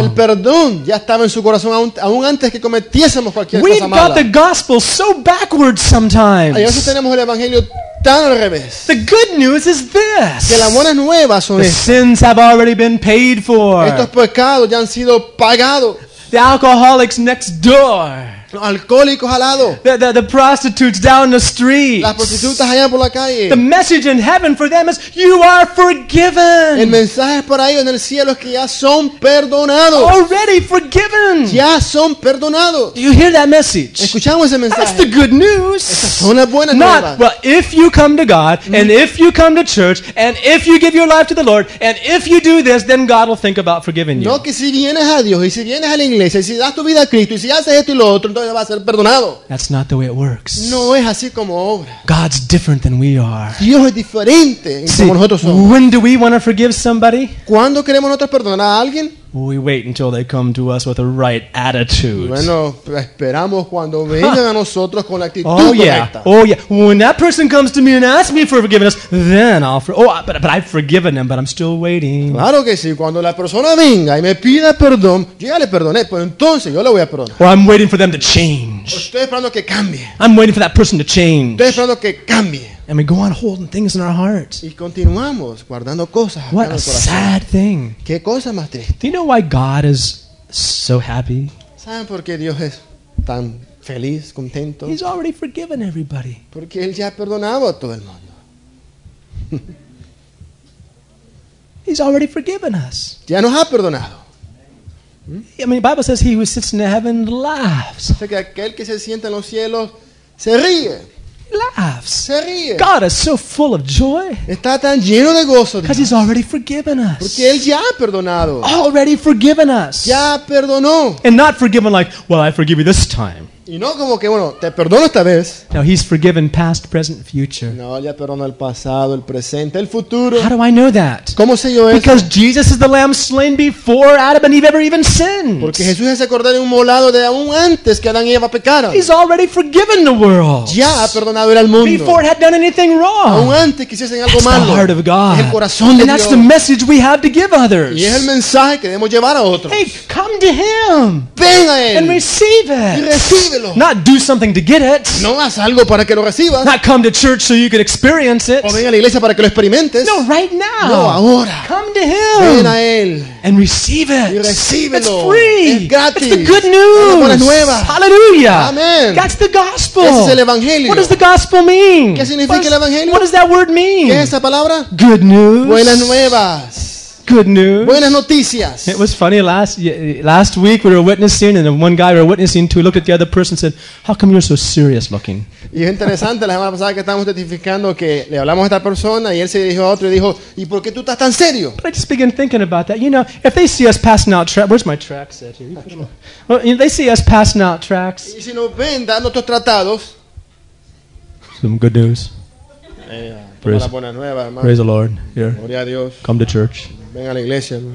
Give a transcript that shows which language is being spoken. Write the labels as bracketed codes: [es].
[es] El perdón ya estaba en su corazón aún antes que cometiésemos cualquier cosa mala. [en] We've got the gospel so backwards sometimes. [es] A veces tenemos el evangelio tan al revés. [en] The good news is this. [es] Que las buenas nuevas son estas. [en] The sins have already been paid for. [es] Estos pecados ya han sido pagados. [en] The alcoholics next door. [es] Los alcohólicos al lado. [en] The prostitutes down the street. [es] Las prostitutas allá por la calle. [en] The message in heaven for them is you are forgiven. [es] El mensaje para ellos en el cielo es que ya son perdonados. [en] Already forgiven. [es] Ya son perdonados. [en] Do you hear that message? [es] Escuchamos ese mensaje. [en] That's the good news. [es] Esa es una buena [en] Not, [es] nueva. [en] Well, if you come to God and if you come to church and if you give your life to the Lord and if you do this, then God will think about forgiving you. [es] No, que si vienes a Dios y si vienes a la iglesia y si das tu vida a Cristo y si haces esto y lo otro, entonces va a ser perdonado. [en] That's not the way it works. [es] No es así como obra. [en] God's different than we are. [es] Dios es diferente [en] See, [es] como nosotros somos. [en] When do we want to forgive somebody? [es] ¿Cuándo queremos nosotros perdonar a alguien? [en] We wait until they come to us with the right attitude. [es] Bueno, esperamos cuando vengan a nosotros con la actitud [en] oh, [es] correcta. [en] Yeah. Oh yeah. When that person comes to me and asks me for forgiveness, then I'll but I've forgiven them, but I'm still waiting. [es] Claro que sí, cuando la persona venga y me pida perdón, yo ya le perdoné, pues entonces yo le voy a perdonar. [en] Or I'm waiting for them to change. [es] Estoy esperando que cambie. [en] I'm waiting for that person to change. [es] Estoy esperando que cambie. [en] And we go on holding things in our hearts. [es] Y continuamos guardando cosas [en] What a sad thing. [es] ¿Qué cosa más triste? [en] Do you know why God is so happy? [es] ¿Saben por qué Dios es tan feliz, contento? [en] He's already forgiven everybody. [es] Porque Él ya ha perdonado a todo el mundo. [en] He's already forgiven us. [es] Ya nos ha perdonado. [en] I mean, the Bible says he who sits in heaven laughs. [es] O sea, que aquel que se sienta en los cielos se ríe. [en] Laughs. [es] Se ríe. [en] God is so full of joy. [es] Está tan lleno de gozo. [en] Because He's already forgiven us. [es] Porque Él ya ha perdonado. [en] Already forgiven us. [es] Ya perdonó. [en] And not forgiven like, well, I forgive you this time. [es] Y no como que, bueno, te perdono esta vez. [en] No, He's forgiven past, present, future. [es] No, ya perdonó el pasado, el presente, el futuro. [en] How do I know that? [es] ¿Cómo sé yo eso? [en] Because Jesus is the Lamb slain before Adam and Eve ever even sinned. [es] Porque Jesús es el Cordero Inmolado de aún antes que Adán y Eva pecaron. [en] He's already forgiven the world. [es] Ya ha perdonado al mundo. [en] Before it had done anything wrong. [es] Aún antes que hiciesen algo [en] that's [es] malo. [en] The heart of God. [es] El corazón de [en] and that's [es] Dios. [en] The message we have to give others. [es] Y es el mensaje que debemos llevar a otros. [en] Hey, come to Him. [es] Ven a Él. [en] And receive it. [es] Y recibe. [en] Not do something to get it. [es] No haz algo para que lo recibas. [en] Not come to church so you can experience it. [es] O ven a la iglesia para que lo experimentes. [en] No, right now. [es] No, ahora. [en] Come to Him. [es] Ven a Él. [en] And receive it. [es] Y recíbelo. [en] It's free. [es] Es gratis. [en] It's the good news. [es] Es la buena nueva. [en] Hallelujah. Amen. That's the gospel. [es] Ese es el evangelio. [en] What does the gospel mean? [es] ¿Qué significa el evangelio? [en] What does that word mean? [es] ¿Qué es esa palabra? [en] Good news. [es] Buenas nuevas. [en] Good news. [es] Buenas noticias. [en] It was funny last week we were witnessing and one guy we were witnessing to looked at the other person and said, "How come you're so serious looking?" [es] Y es interesante la semana pasada que estábamos testificando que le hablamos a esta persona y él se dijo a otro y dijo, "¿Y por qué tú estás tan serio?" [en] But I just began thinking about that. You know, if they see us passing out tracks, where's my tracks at here? Well, if they see us passing out tracks. [es] Y si nos ven dando nuestros tratados. [en] Some good news. Praise the Lord. Here. [es] Gloria a Dios. [en] Come to church. [es] Ven a la iglesia.